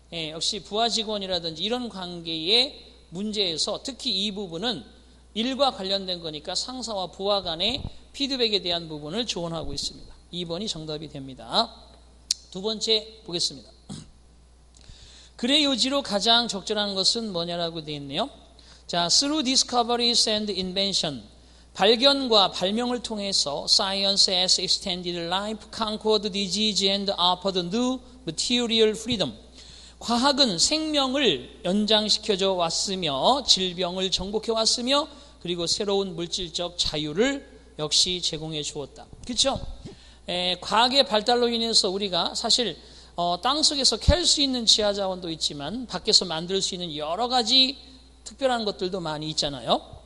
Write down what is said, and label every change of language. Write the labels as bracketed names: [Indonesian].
[Korean] 역시 부하 직원이라든지 이런 관계의 문제에서 특히 이 부분은 일과 관련된 거니까 상사와 부하 간의 피드백에 대한 부분을 조언하고 있습니다. 2번이 정답이 됩니다. 두 번째 보겠습니다. 글의 요지로 가장 적절한 것은 뭐냐라고 되어 있네요. [English] 자, through discoveries and invention, [Korean] 발견과 발명을 통해서 [English] science has extended life, conquered disease and offered new material freedom. [Korean] 과학은 생명을 연장시켜줘 왔으며 질병을 정복해 왔으며 그리고 새로운 물질적 자유를 역시 제공해 주었다. 그렇죠? 과학의 발달로 인해서 우리가 사실 땅속에서 캘 수 있는 지하자원도 있지만 밖에서 만들 수 있는 여러 가지 특별한 것들도 많이 있잖아요.